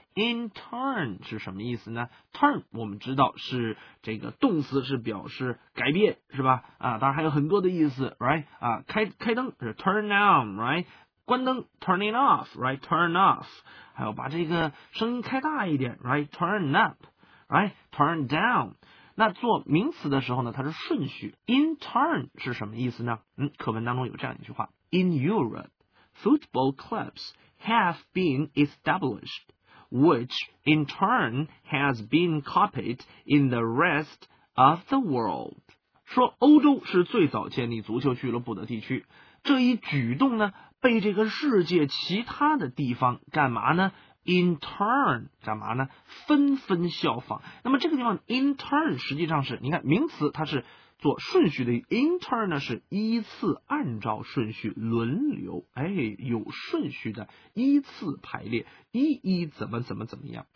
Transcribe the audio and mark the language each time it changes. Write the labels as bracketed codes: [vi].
[zh] In turn 是什么意思呢？turn 我们知道是这个动词，是表示改变是吧啊，当然还有很多的意思 right 啊，开灯是 [en] turn on right， [zh] 关灯 [en] turn it off right， [zh] turn off 还有把这个声音开大一点 right， [en] turn up right， turn down。 [zh] 那做名词的时候呢，它是顺序。 In turn 是什么意思呢？课文当中有这样一句话 [en] ：In Europe, football clubs have been established, which in turn has been copied in the rest of the world。 [zh] 说欧洲是最早建立足球俱乐部的地区，这一举动呢，被这个世界其他的地方干嘛呢？ In turn 干嘛呢？纷纷效仿。那么这个地方 in turn 实际上是，你看名词它是做顺序的， in turn 呢是依次按照顺序轮流，哎，有顺序的依次排列，一一怎么怎么怎么样。